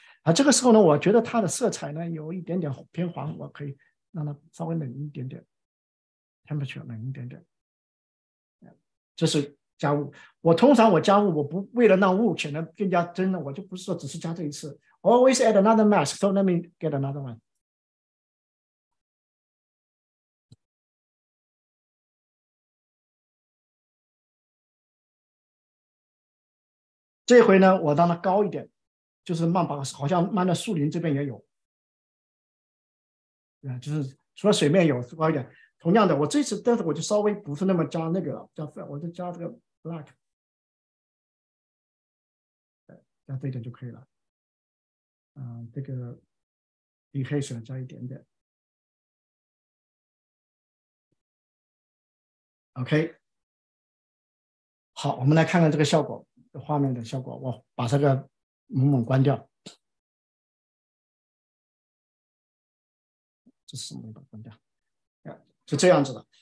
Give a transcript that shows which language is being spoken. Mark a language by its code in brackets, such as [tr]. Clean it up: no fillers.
[zh] 啊，这个时候呢，我觉得它的色彩呢有一点点偏黄，我可以让它稍微冷一点点 ，temperature 冷一点点。这是加雾。我通常我加雾，我不为了让雾显得更加真的，我就不是说只是加这一次。 [en] Always add another mask. So let me get another one. This time, I make it higher. It's like the forest, like the forest here too. Yeah, it's just except the surface, it's higher. Same thing. I this time, but I just slightly not add that. I just add this black. Yeah, add this little bit is okay. [zh] 这个你可以选择一点点 OK 好，我们来看看这个效果画面的效果，我把这个猛猛关掉，这是什么，把它关掉，是这样子的。